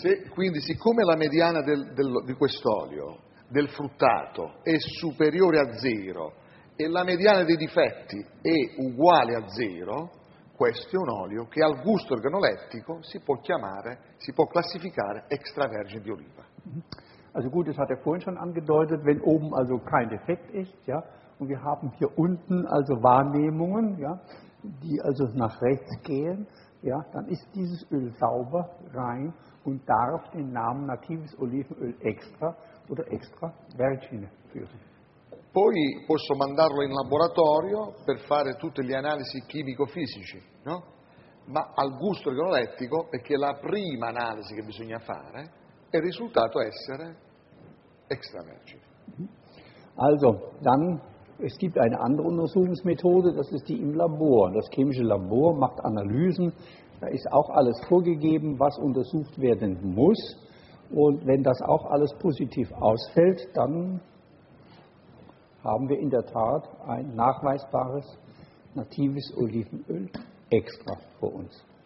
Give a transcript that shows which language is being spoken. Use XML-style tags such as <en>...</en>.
<it>Quindi siccome la mediana di quest'olio, del fruttato, è superiore a zero e la mediana dei difetti è uguale a zero, questo è un olio che al gusto organolettico si può classificare extravergine di oliva.</it> <de>Also gut, das hat er vorhin schon angedeutet, wenn oben also kein Defekt ist, ja. Und wir haben hier unten also Wahrnehmungen, ja, die also nach rechts gehen, ja, dann ist dieses Öl sauber, rein und darf den Namen natives Olivenöl extra oder extra vergine führen.</de> <it>Poi posso mandarlo in laboratorio per fare tutte le analisi chimico-fisici, no? Ma al gusto organolettico, perché la prima analisi che bisogna fare, è risultato essere extravergine.</it> <de>Also, dann es gibt eine andere Untersuchungsmethode, das ist die im Labor. Das chemische Labor macht Analysen, da ist auch alles vorgegeben, was untersucht werden muss. Und wenn das auch alles positiv ausfällt, dann haben wir in der Tat ein nachweisbares natives Olivenöl extra vor uns.</de>